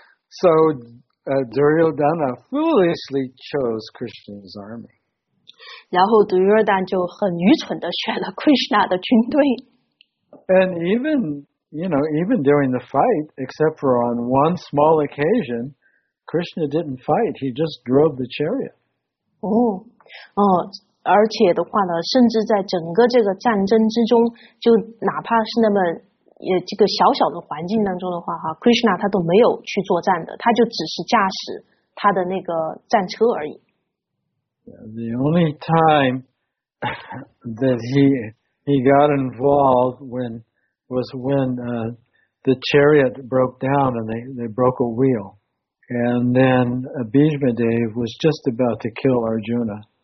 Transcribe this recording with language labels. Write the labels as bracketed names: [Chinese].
[English] ？So Duryodhana foolishly chose Krishna's army. [Chinese] 然后 Duryodhana 就很愚蠢的选了 Krishna 的军队。 [English] And even you know even during the fight, except for on one small occasion, Krishna didn't fight. He just drove the chariot. [Chinese] 而且的话呢，甚至在整个这个战争之中，就哪怕是那么也这个小小的环境当中的话，Krishna 他都没有去作战的，他就只是驾驶他的那个战车而已。 [English] The only time that he got involved was when the chariot broke down and they broke a wheel. And then Bhishma Dev was just about to kill Arjuna.